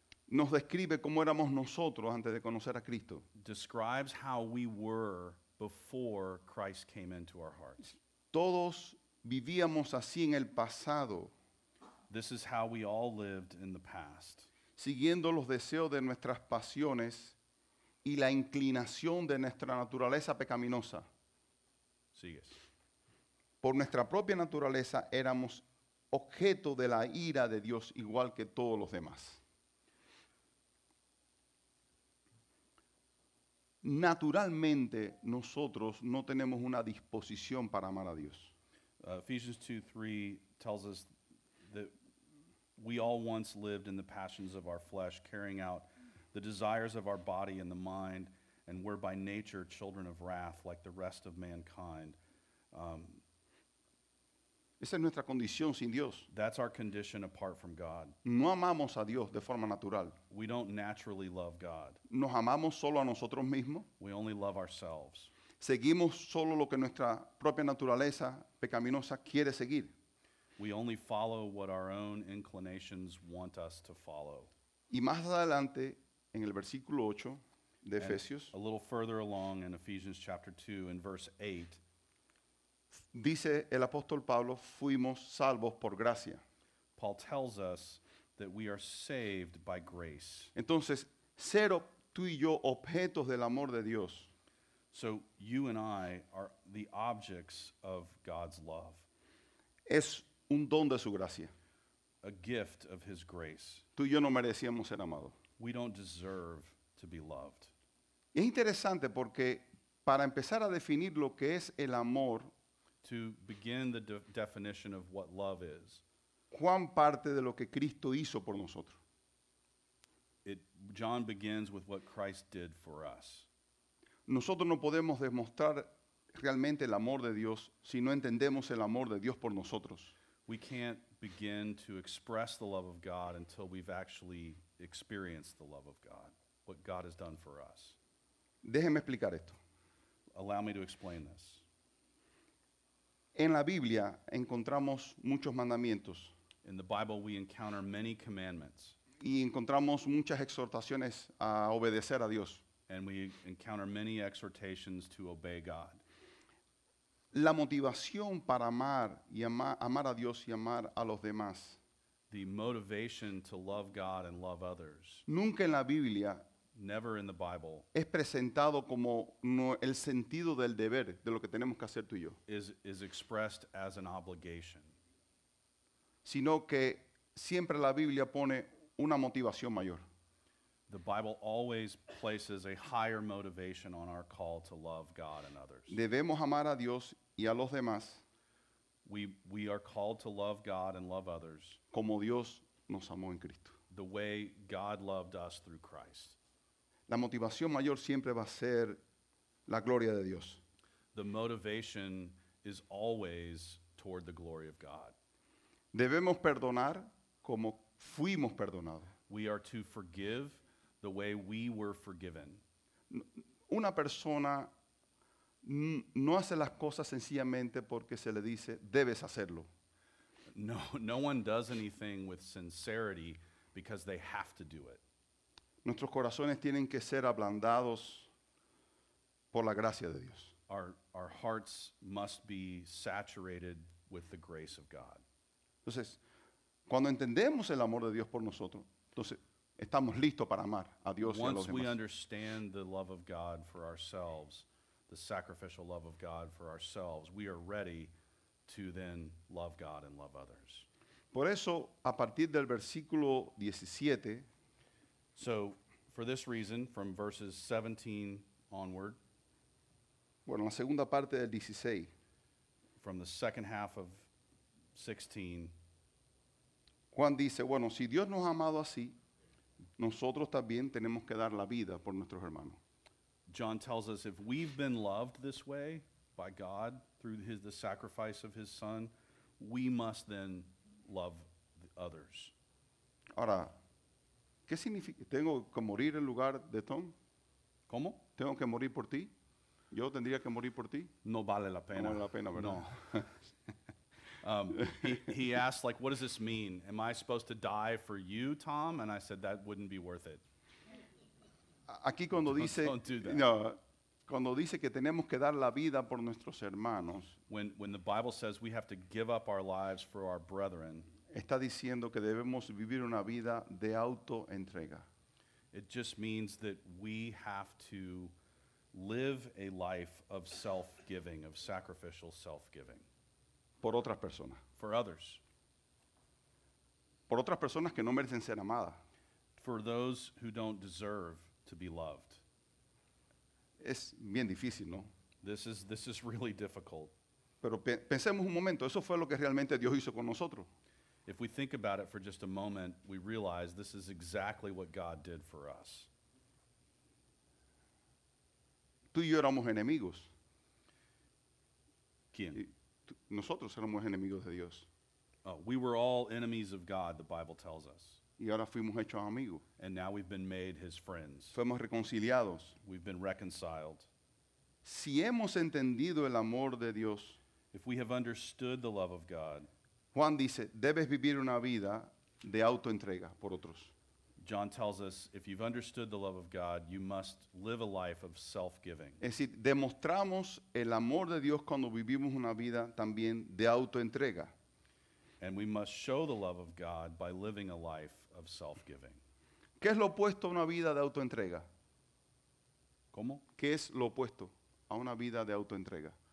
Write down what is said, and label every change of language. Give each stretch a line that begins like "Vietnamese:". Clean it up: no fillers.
Spanish: Nos describe cómo éramos nosotros antes de conocer a Cristo.
English: Describes how we were before Christ came into our hearts.
Spanish: Todos vivíamos así en el pasado.
English: This is how we all lived in the past.
Spanish: Siguiendo los deseos de nuestras pasiones y la inclinación de nuestra naturaleza pecaminosa. Sigue. Por nuestra propia naturaleza éramos objeto de la ira de Dios igual que todos los demás. Naturalmente, nosotros no tenemos una disposición para amar a Dios.
English: Ephesians 2:3 tells us that we all once lived in the passions of our flesh, carrying out the desires of our body and the mind, and were by nature children of wrath like the rest of mankind.
Spanish: Esa es nuestra condición sin Dios.
English: That's our condition apart from God.
Spanish: No amamos a Dios de forma natural.
English: We don't naturally love God.
Spanish: Nos amamos solo a nosotros mismos.
English: We only love ourselves.
Spanish: Seguimos solo lo que nuestra propia naturaleza pecaminosa quiere seguir.
English: We only follow what our own inclinations want us to follow.
Spanish: Y más adelante, en el versículo 8 de Efesios,
English: a little further along in Ephesians chapter 2, in verse 8,
Spanish: dice el apóstol Pablo, fuimos salvos por gracia.
English: Paul tells us that we are saved by grace.
Spanish: Entonces, ser tú y yo objetos del amor de Dios.
English: So you and I are the objects of God's love.
Spanish: Es un don de su gracia.
English: A gift of his grace.
Spanish: Tú y yo no merecíamos ser amados.
English: We don't deserve to be loved.
Spanish: Es interesante porque para empezar a definir lo que es el amor,
English: to begin the definition of what love is,
Spanish: Juan parte de lo que Cristo hizo por nosotros.
English: John begins with what Christ did for us.
Spanish: Nosotros no podemos demostrar realmente el amor de Dios si no entendemos el amor de Dios por nosotros.
English: We can't begin to express the love of God until we've actually experienced the love of God, what God has done for us.
Spanish: Déjeme explicar esto.
English: Allow me to explain this.
Spanish: En la Biblia encontramos muchos mandamientos.
English: In the Bible we encounter many commandments.
Spanish: Y encontramos muchas exhortaciones a obedecer a Dios.
English: And we encounter many exhortations to obey God.
Spanish: La motivación para amar y amar a Dios y amar a los demás.
English: The motivation to love God and love others.
Spanish: Nunca en la Biblia.
English: Never in the Bible.
Spanish: Es presentado como el sentido del deber, de lo que tenemos que hacer tú y yo.
English: Is expressed as an obligation.
Spanish: Sino que siempre la Biblia pone una motivación mayor.
English: The Bible always places a higher motivation on our call to love God and others.
Spanish: Debemos amar a Dios y a los demás.
English: We are called to love God and love others.
Spanish: Como Dios nos amó en Cristo.
English: The way God loved us through Christ.
Spanish: La motivación mayor siempre va a ser la gloria de Dios.
English: The motivation is always toward the glory of God.
Spanish: Debemos perdonar como fuimos perdonados.
English: We are to forgive the way we were forgiven.
Spanish: Una persona no hace las cosas sencillamente porque se le dice debes hacerlo.
English: No one does anything with sincerity because they have to do it.
Spanish: Nuestros corazones tienen que ser ablandados por la gracia de Dios.
English: Our hearts must be saturated with the grace of God.
Spanish: Entonces, cuando entendemos el amor de Dios por nosotros, entonces estamos listos para amar a Dios y a los demás.
English: Once we understand the love of God for ourselves, the sacrificial love of God for ourselves, we are ready to then love God and love others.
Spanish: Por eso, a partir del versículo 17,
English: so, for this reason, from verses 17 onward,
Spanish: bueno, la segunda parte del 16,
English: from the second half of 16,
Spanish: Juan dice, bueno, si Dios nos ha amado así, nosotros también tenemos que dar la vida por nuestros hermanos.
English: John tells us if we've been loved this way by God through the sacrifice of his son, we must then love the others.
Spanish: Ahora, ¿qué significa? ¿Tengo que morir en lugar de Tom? ¿Cómo? Tengo que morir por ti. Yo tendría que morir por ti. No vale la pena. No vale la pena, ¿verdad?
English: No. he asked, like, what does this mean? Am I supposed to die for you, Tom? And I said, that wouldn't be worth it.
Spanish: Aquí cuando dice,
English: don't do that.
Spanish: No, cuando dice que tenemos que dar la vida por nuestros hermanos.
English: When the Bible says we have to give up our lives for our brethren.
Spanish: Está diciendo que debemos vivir una vida de autoentrega.
English: It just means that we have to live a life of self-giving, of sacrificial self-giving.
Spanish: Por otras personas.
English: For others.
Spanish: Por otras personas que no merecen ser amadas.
English: For those who don't deserve to be loved.
Spanish: Es bien difícil, ¿no?
English: This is really difficult.
Spanish: Pero pensemos un momento, eso fue lo que realmente Dios hizo con nosotros.
English: If we think about it for just a moment, we realize this is exactly what God did for us.
Spanish: Tú y yo éramos enemigos. ¿Quién? Nosotros éramos enemigos de Dios.
English: Oh, we were all enemies of God, the Bible tells us.
Spanish: Y ahora fuimos hechos amigos.
English: And now we've been made his friends.
Spanish: Fuimos reconciliados.
English: We've been reconciled.
Spanish: Si hemos entendido el amor de Dios,
English: if we have understood the love of God,
Spanish: Juan dice, debes vivir una vida de autoentrega por otros.
English: John tells us, if you've understood the love of God, you must live a life of self-giving.
Spanish: Es decir, demostramos el amor de Dios cuando vivimos una vida también de autoentrega.
English: And we must show the love of God by living a life of self-giving.
Spanish: ¿Qué es lo opuesto a una vida de autoentrega? ¿Cómo? ¿Qué es lo opuesto a una vida de autoentrega?